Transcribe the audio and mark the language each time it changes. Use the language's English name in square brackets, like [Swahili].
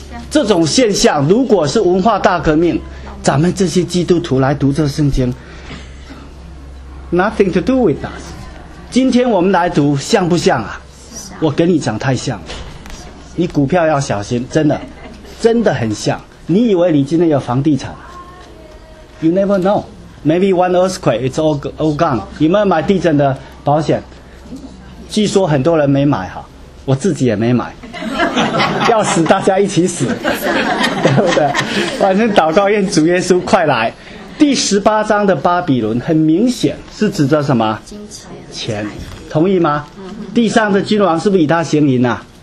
[Chinese] 这种现象如果是文化大革命，咱们这些基督徒来读这圣经 [English] nothing to do with us。 [Chinese] 今天我们来读像不像啊？我跟你讲太像了，你股票要小心，真的真的很像。你以为你今天有房地产？ [English] You never know, maybe one earthquake it's all gone。 [Chinese] 有没有买地震的保险？据说很多人没买哈，我自己也没买，要死大家一起死，对不对？反正祷告愿主耶稣快来。第十八章的巴比伦很明显是指着什么？钱，同意吗？地上的君王是不是以他行淫啊？